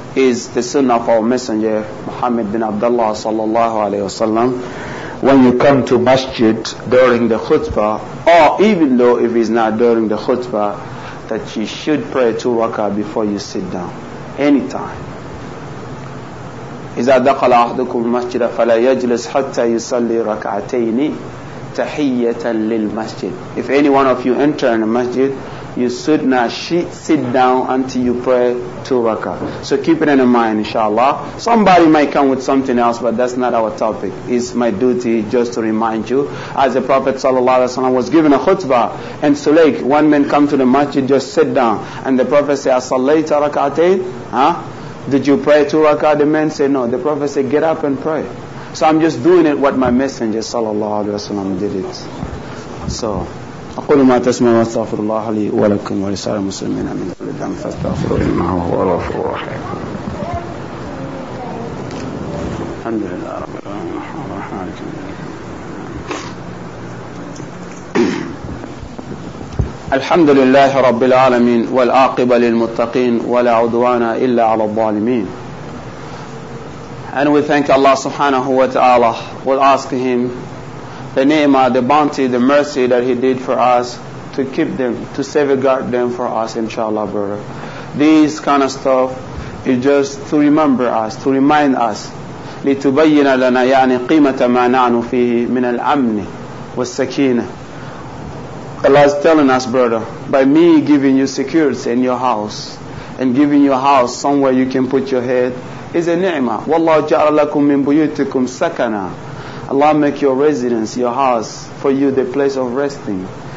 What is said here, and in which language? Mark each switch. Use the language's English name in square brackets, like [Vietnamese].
[English] is the sunnah of our messenger Muhammad bin Abdullah sallallahu alayhi wasallam. When you come to masjid during the khutbah, or even though if it's not during the khutbah, that you should pray two rak'ah before you sit down. Anytime. [Arabic] إذا دخل أحدكم المسجد فلا يجلس حتى يصلي ركعتين تحية للمسجد. [English] If any one of you enter in a masjid, you should not sit down until you pray two rak'ah. So keep it in mind, inshallah. Somebody might come with something else, but that's not our topic. It's my duty just to remind you. As the Prophet sallallahu alaihi wasallam was giving a khutbah, and Sulaik, one man come to the masjid, just sit down. And the Prophet said, [Arabic] أَصَلَّيْتَ رَكَعَتَيْن? [English] Huh? Did you pray two rak'ah? The man said, no. The Prophet said, get up and pray. So I'm just doing it what my messenger sallallahu alaihi wasallam did it. So [Arabic] أقول ما تسمع واستغفر الله لي ولكم ولسائر المسلمين من كل ذنب فاستغفروه إنه هو الغفور الرحيم. الحمد لله رب العالمين الرحمن الرحيم. الحمد لله رب العالمين والعاقبة للمتقين ولا عدوان إلا على الظالمين. [English] And we thank Allah subhanahu wa ta'ala. We'll ask Him the ni'mah, the bounty, the mercy that He did for us, to keep them, to safeguard them for us, inshallah, brother. These kind of stuff is just to remember us, to remind us. [Arabic] لتبين لنا يعني قيمة ما نعن فيه من الأمن والسكينة. [English] Allah is telling us, brother, by me giving you security in your house, and giving your house somewhere you can put your head, is a ni'mah. [Arabic] وَاللَّهُ جَعَلَ لَكُم مِّن بُيُوتِكُمْ سَكَنًا. [English] Allah make your residence, your house, for you the place of resting.